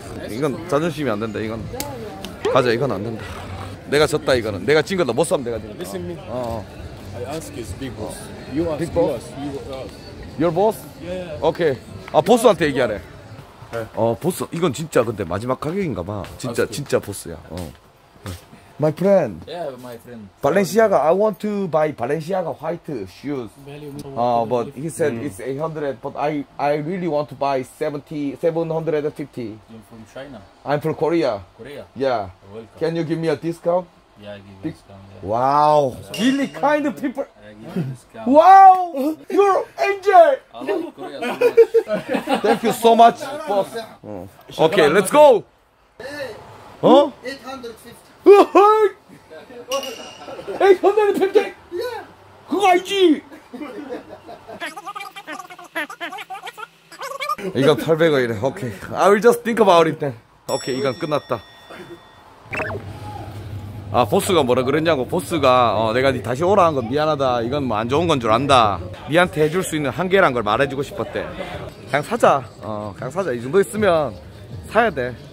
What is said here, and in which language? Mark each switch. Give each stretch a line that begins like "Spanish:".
Korean: 이건 자존심이 안 된다, 이건. 가자, 이건 안 된다. 내가 졌다, 이거는. 내가 진 거 너 못 쏘면 내가 진 거.
English: Listen me. I ask his big boss. Big boss? Your boss? Yeah.
Korean: Okay. 아, 보스한테 얘기하래. 어, 보스. 이건 진짜 근데 마지막 가격인가 봐. 진짜 보스야.
English: My friend. Yeah, my friend. Balenciaga. I want to buy Balenciaga white shoes. But he said it's 800. But I really want to buy 750. You're from China. I'm from Korea. Korea. Yeah. Welcome. Can you give me a discount? Wow. Really kind of people. Wow. You're angel. Thank you so much, boss. Okay, let's go. Huh? 850. 850? Yeah.
Korean: 그거 알지? 이건 800원이래. 오케이.
English: I will just think about it then.
Korean: 오케이, 이건 끝났다. 아, 보스가 뭐라 그랬냐고. 보스가 내가 네 다시 오라 한 건 미안하다. 이건 뭐 안 좋은 건 줄 안다. 니한테 해줄 수 있는 한계란 걸 말해주고 싶었대. 그냥 사자. 그냥 사자. 이 정도 있으면 사야 돼.